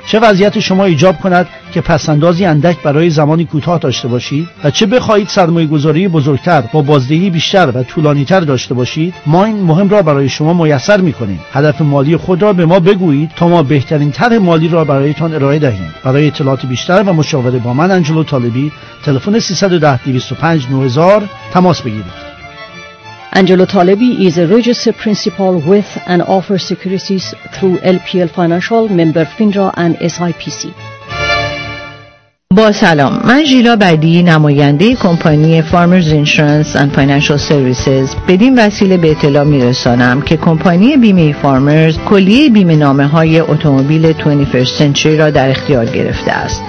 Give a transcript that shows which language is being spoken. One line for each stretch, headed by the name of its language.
Persian: چه وضعیت شما ایجاب کند که پسندازی اندک برای زمانی کوتاه داشته باشید و چه بخواهید سرمایه گذاری بزرگتر با بازدهی بیشتر و طولانی تر داشته باشید، ما این مهم را برای شما میسر میکنیم. هدف مالی خود را به ما بگویید تا ما بهترین طرح مالی را برایتان ارائه دهیم. برای اطلاعات بیشتر و مشاوره با من آنجلو طالبی، تلفن 310-205-9000 تماس بگیرید.
English: Angelo طالبی is a registered principal with and offers securities through LPL Financial, member FINRA and SIPC.
Persian: با سلام، من ژیلا بدی، نماینده کمپانی فارمرز اینشورنس اند فاینانشل سرویسز، بدین وسیله به اطلاع میرسانم که کمپانی بیمه فارمرز کلیه بیمه نامه های اتومبیل 21st century را در اختیار گرفته است.